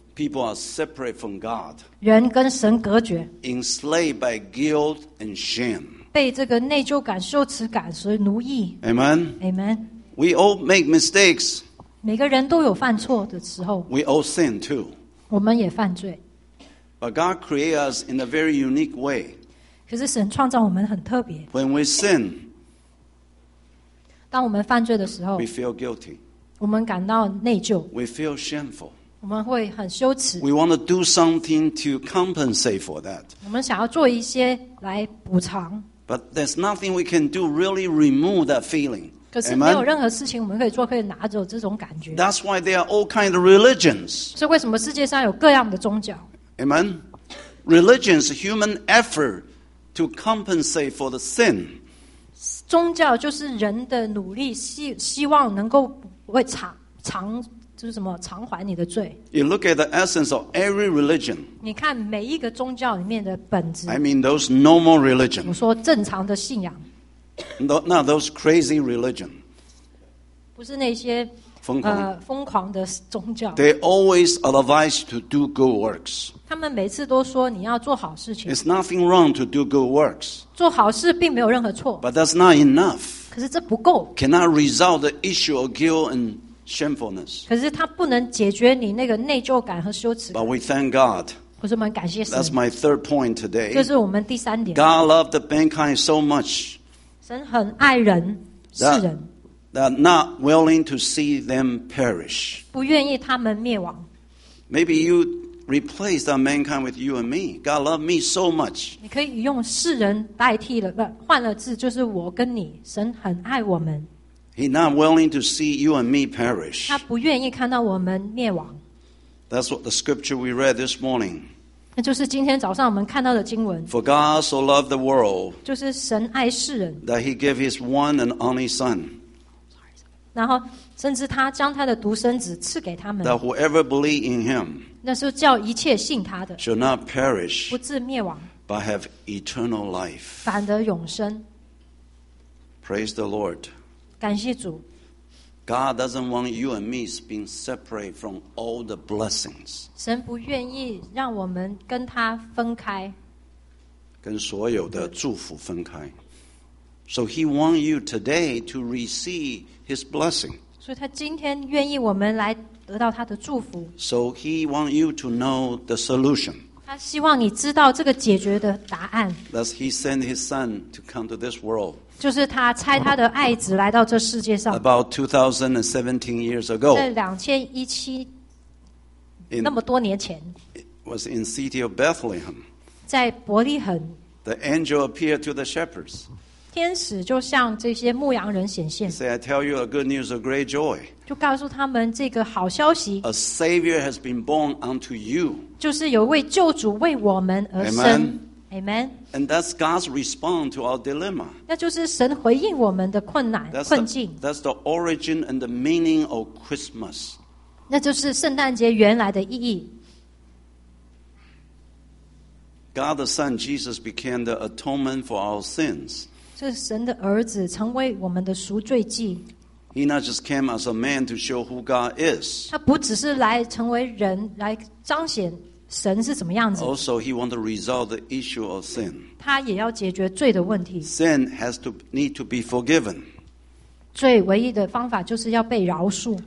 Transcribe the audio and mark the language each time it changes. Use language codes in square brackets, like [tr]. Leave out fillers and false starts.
[en] People are separate from God. [zh] 人跟神隔绝。 [en] Enslaved by guilt and shame. [zh] 被这个内疚感、羞耻感所奴役。 [en] Amen. Amen. We all make mistakes. [zh] 每个人都有犯错的时候。 [en] We all sin too. [zh] 我们也犯罪。 [en] But God created us in a very unique way. [zh] 可是神创造我们很特别。 [en] When we sin, [zh] 当我们犯罪的时候 [en] ，we feel guilty. [zh] 我们感到内疚。 [en] We feel shameful. [zh] 我们会很羞耻。 [en] We want to do something to compensate for that. [zh] 我们想要做一些来补偿。 [en] But there's nothing we can do really remove that feeling. [zh] 可是没有任何事情我们可以做可以拿走这种感觉。 [en] That's why there are all kinds of religions. [zh] 是为什么世界上有各样的宗教。 [en] Amen. Religions, human effort to compensate for the sin. [zh] 宗教就是人的努力，希望能够为偿。就是什么偿还你的罪。 [en] You look at the essence of every religion. [zh] 你看每一个宗教里面的本质。 [en] I mean those normal religion. [zh] 我说正常的信仰。 [en] Not those crazy religion. [zh] 不是那些疯狂的宗教。 [en] They always advise to do good works. [zh] 他们每次都说你要做好事情。 [en] It's nothing wrong to do good works. [zh] 做好事并没有任何错。 [en] But that's not enough. [zh] 可是这不够。 [en] Cannot resolve the issue of guilt and shamefulness. [zh] 可是它不能解决你那个内疚感和羞耻感。 [en] But we thank God. [zh] 可是我们感谢神。 [en] That's my third point today. [zh] 这是我们第三点。 [en] God loved mankind so much. [zh] 神很爱人，世人。 [en] That not willing to see them perish. [zh] 不愿意他们灭亡。 [en] Maybe you replace that mankind with you and me. God loved me so much. [zh] 你可以用世人代替了，不，换了字就是我跟你。神很爱我们。 [en] He's not willing to see you and me perish. [zh] 他不愿意看到我们灭亡。 [en] That's what the scripture we read this morning. [zh] 那就是今天早上我们看到的经文。 [en] For God so loved the world. [zh] 就是神爱世人。 [en] That he gave his one and only son. [zh] 然后甚至他将他的独生子赐给他们。 [en] That whoever believes in him. [zh] 那是叫一切信他的。 [en] Shall not perish. [zh] 不至灭亡。 [en] But have eternal life. [zh] 反得永生。 [en] Praise the Lord. [zh] 感谢主。 [en] God doesn't want you and me being separated from all the blessings. [zh] 神不愿意让我们跟他分开。跟所有的祝福分开。 [en] So he wants you today to receive his blessing. [zh] 所以他今天愿意我们来得到他的祝福。 [en] So he wants you to know the solution. [zh] 他希望你知道这个解决的答案。 [en] Thus he sent his son to come to this world. [zh] 就是他差他的爱子来到这世界上。 [en] About 2017 years ago. [zh] 在2017那么多年前。 [en] It was in city of Bethlehem. [zh] 在伯利恒。 [en] The angel appeared to the shepherds. [zh] 天使就向这些牧羊人显现。 [en] He said, I tell you a good news of great joy. [zh] 就告诉他们这个好消息。 [en] A savior has been born unto you. [zh] 就是有位救主为我们而生。 [en] Amen. And that's God's response to our dilemma. [zh] 那就是神回应我们的困难困境。 [en] That's the origin and the meaning of Christmas. [zh] 那就是圣诞节原来的意义。 [en] God the Son Jesus became the atonement for our sins. [zh] 这是神的儿子成为我们的赎罪祭。 [en] He not just came as a man to show who God is. [zh] 他不只是来成为人来彰显。神是怎么样子？ [en] Also, he wants to resolve the issue of sin. [zh] 他也要解决罪的问题。 [en] Sin has to need to be forgiven. [zh] 罪唯一的方法就是要被饶恕。